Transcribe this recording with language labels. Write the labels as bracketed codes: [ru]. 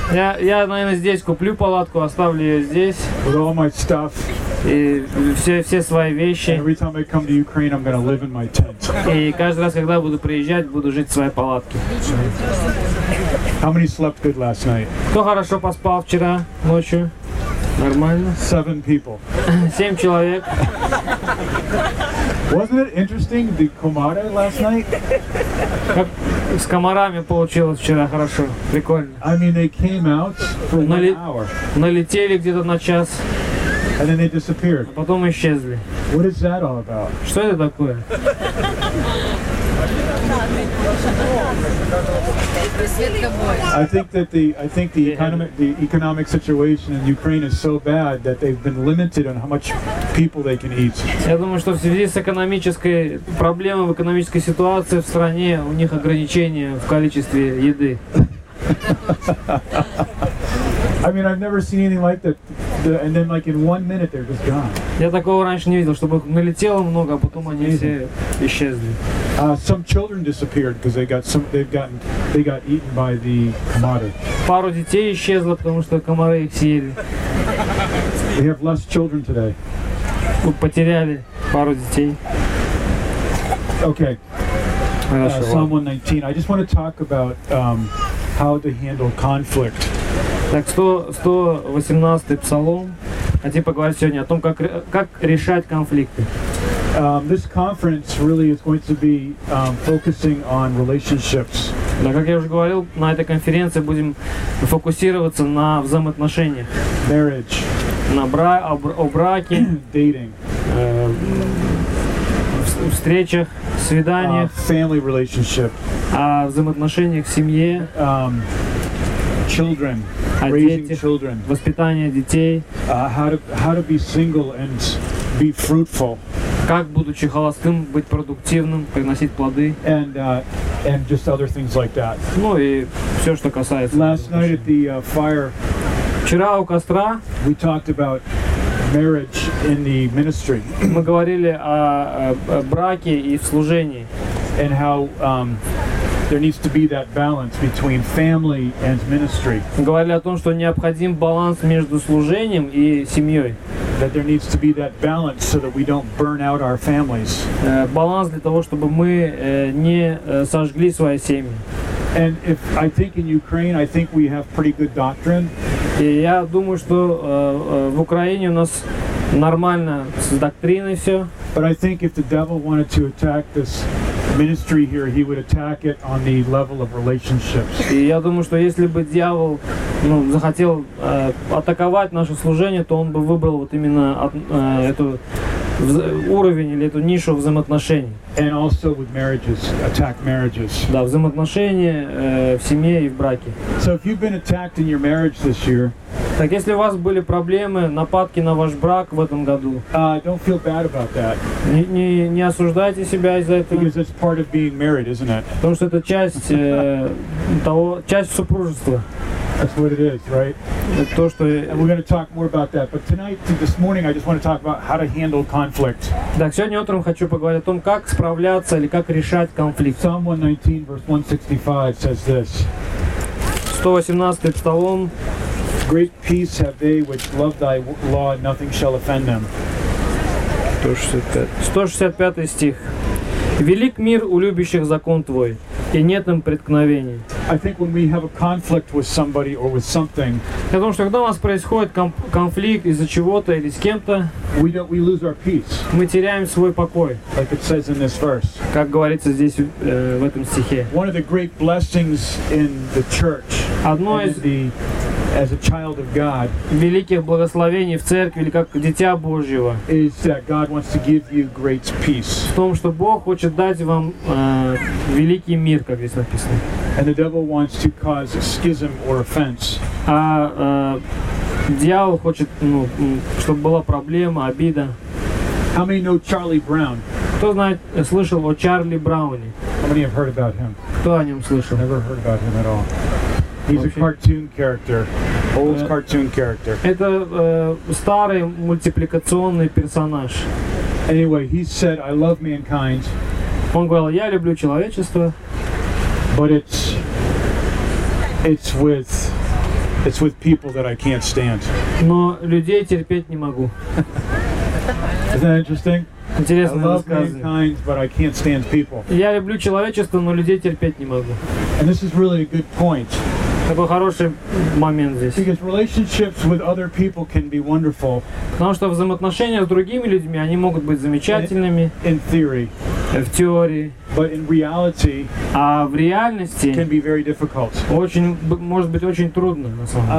[ru] Я, наверное, здесь куплю палатку, оставлю ее здесь. [en] With all my stuff. [ru] И все свои вещи. [en] And every time I come to Ukraine, I'm going to live in my tent. [ru] И каждый раз, когда буду приезжать, буду жить в своей палатке. [en] How many slept good last night? [ru] Кто хорошо поспал вчера ночью? Нормально. [en] 7 people. [ru] 7 человек. [en] Wasn't it interesting the komara last night? [ru] Как с комарами получилось вчера хорошо, прикольно. [en] I mean they came out for one hour. [ru] Налетели где-то на час. [en] And then they disappeared. [ru] А потом исчезли. [en] What is that all about? [ru] Что это такое? [en] I think the economic situation in Ukraine is so bad that they've been limited on how much people they can eat. [ru] Я думаю, что в связи с экономической проблемой, в экономической ситуации в стране, у них ограничения в количестве еды. [en] I mean, I've never seen anything like that. Да, and then like in 1 minute they're just gone. [ru] Я такого раньше не видел, чтобы налетело много, а потом они все исчезли. [en] Some children disappeared because they got eaten by the комары. [ru] Пару детей исчезло, потому что комары их съели. [en] We have less children today. [ru] Мы потеряли пару детей. [en] Okay. Psalm 119. I just want to talk about how to handle conflict. [ru] Так, 118-й псалом. Хотим поговорить сегодня о том, как решать конфликты. [en] This conference really is going to be focusing on relationships. [ru] Да, как я уже говорил, на этой конференции будем фокусироваться на взаимоотношениях. [en] Marriage. [ru] О браке. [en] Dating. [ru] Встречах, свиданиях. [en] Family relationship. [ru] О взаимоотношениях в семье. [en] Children. [ru] Воспитание детей. [en] How to be single and be fruitful. [ru] Как, будучи холостым, быть продуктивным, приносить плоды. [en] And just other things like that. [ru] Ну и все, что касается. [en] Last night at the fire. [ru] Вчера у костра. [en] We talked about marriage in the ministry. [ru] Мы говорили о браке и служении. [en] And how there needs to be that balance between family and ministry. [ru] Говорили о том, что необходим баланс между служением и семьей. [en] That there needs to be that balance so that we don't burn out our families. [ru] Баланс для того, чтобы мы не сожгли свои семьи. [en] And if I think in Ukraine, I think we have pretty good doctrine. [ru] И я думаю, что в Украине у нас нормально с доктриной все. [en] But I think if the devil wanted to attack this ministry here, he would attack it on the level of relationships. [ru] И я думаю, что если бы дьявол захотел атаковать наше служение, то он бы выбрал вот именно эту уровень или эту нишу взаимоотношений. [en] And also with marriages, attack marriages. [ru] Да, взаимоотношения в семье и в браке. [en] So if you've been attacked in your marriage this year, [ru] так если у вас были проблемы, нападки на ваш брак в этом году, [en] don't feel bad about that. [ru] Не осуждайте себя из-за этого. [en] Because it's part of being married, isn't it? [ru] Потому что это часть супружества. [en] That's what it is, right? [ru] То, что... [en] And we're going to talk more about that. But tonight, this morning, I just want to talk about how to handle conflict. [ru] Так, сегодня утром хочу поговорить о том, как справляться или как решать конфликт. [en] Psalm 119, verse 165 says this. [ru] 118-й псалом. [en] Great peace have they which love thy law, nothing shall offend them. [ru] 165-й стих. Велик мир у любящих закон твой, и нет им преткновений. [en] I think when we have a conflict with somebody or with something, [ru] я думаю, что когда у нас происходит конфликт из-за чего-то или с кем-то, [en] we lose our peace. [ru] Мы теряем свой покой, [en] like it says in this verse. [ru] Как говорится здесь в этом стихе. [en] One of the great blessings in the church, [ru] одно из [en] as a child of God, [ru] великих благословений в церкви или как дитя Божьего, [en] is that God wants to give you great peace. [ru] В том, что Бог хочет дать вам великий мир, как здесь написано. [en] And the devil wants to cause a schism or offense. [ru] А дьявол хочет, чтобы была проблема, обида. [en] How many know Charlie Brown? [ru] Кто знает, слышал о Чарли Брауне? [en] How many have heard about him? [ru] Кто о нем слышал? [en] Never heard about him at all. He's a cartoon character, old cartoon character. [ru] Это старый мультипликационный персонаж. [en] Anyway, he said, "I love mankind." [ru] Он говорил, я люблю человечество. [en] But it's with people that I can't stand. [ru] Но людей терпеть не могу. [en] Isn't that interesting? [ru] Интересно. [en] I love mankind, but I can't stand people. [ru] Я люблю человечество, но людей терпеть не могу. [en] And this is really a good point. [ru] Такой хороший момент здесь. [en] Because relationships with other people can be wonderful. [ru] Потому что взаимоотношения с другими людьми, они могут быть замечательными. [en] In theory. [ru] В теории. [en] But in reality. [ru] А в реальности. [en] Can be very difficult. [ru] Очень, может быть, очень трудно, на самом деле.